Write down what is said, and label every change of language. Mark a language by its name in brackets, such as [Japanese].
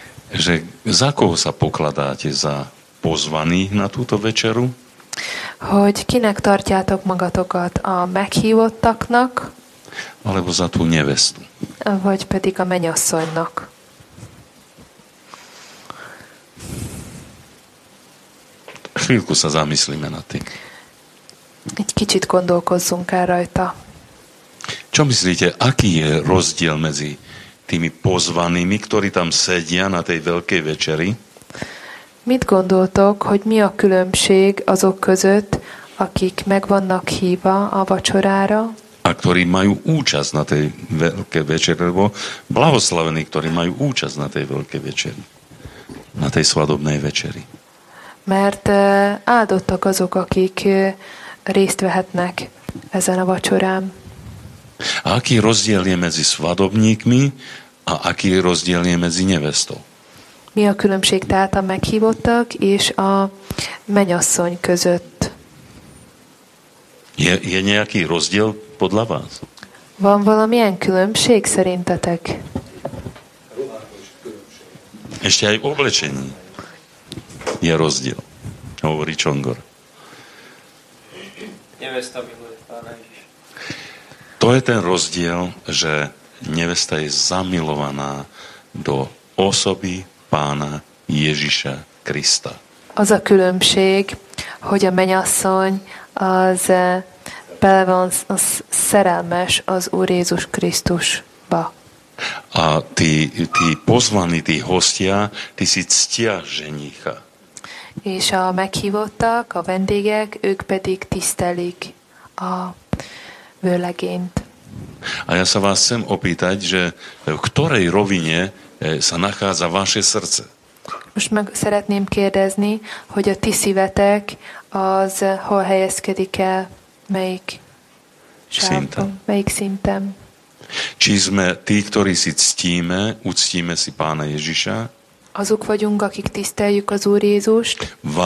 [Slovak] Že za koho sa pokladáte za pozvaných na túto večeru? [Hungarian] Hogy kinek tartjátok magatokat, a meghívottaknak? [Slovak] Alebo za tú nevestu. [Hungarian] Vagy pedig a menyasszonynak. [Slovak] chvíľku sa zamyslíme nad tým. [Hungarian] Egy kicsit gondolkozzunk el rajta. [Slovak] Čo myslíte, aký je rozdiel medzi tými pozvanými, ktorí tam sedia na tej veľkej večeri? [Hungarian] Mit gondoltok, hogy mi a különbség azok között, akik meg vannak hívva a vacsorára? [Slovak] A ktorí majú účasť na tej veľkej večeri, lebo blahoslavení, ktorí majú účasť na tej veľkej večeri, na tej svadobnej večeri. [Hungarian] Mert áldottak azok, akik részt vehetnek ezen a vacsorán. [Slovak] A aký rozdiel je medzi svadobníkmi a aký rozdiel je medzi nevestou? [Hungarian] Mi a különbség tehát a meghívottak és a menyasszony között? [Slovak] Je nejaký rozdiel podľa vás? [Hungarian] Van valamilyen különbség szerintetek? [Slovak] Ešte aj oblečení je rozdiel, hovorí Čongor. Nevesta miluje pána Ježiša. To je ten rozdiel, že nevesta je zamilovaná do osoby pána Ježiša Krista. [Hungarian] Az a különbség, hogy a menyasszony az bele van szerelmes az Úr Jézus Krisztusba. [Slovak] A tí pozvaní, tí hostia, tí si ctia ženicha. [Hungarian] És a meghívottak, a vendégek, ők pedig tisztelik a vőlegényt. [Slovak] A ja sa vás chcem opýtať, že v ktorej rovine sa nachádza vaše srdce? [Hungarian] Most meg szeretném kérdezni, hogy a ti szívetek az hol helyezkedik el, melyik szinten. Melyik szinten. [Slovak] Či sme tí, ktorí si ctíme, uctíme si pána Ježiša? [Hungarian] Azok vagyunk, akik tiszteljük az Úr Jézust.